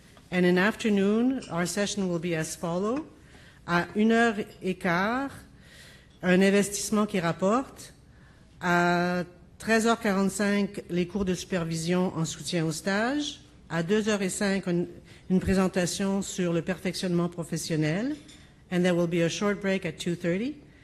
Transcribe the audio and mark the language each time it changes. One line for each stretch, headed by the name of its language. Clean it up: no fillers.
English: And in afternoon, our session will be as follows.
French: À 1h15, un investissement qui rapporte. À 13h45, les cours de supervision en soutien au stage. À 2h05, une présentation sur le perfectionnement professionnel.
English: And there will be a short break at 2:30.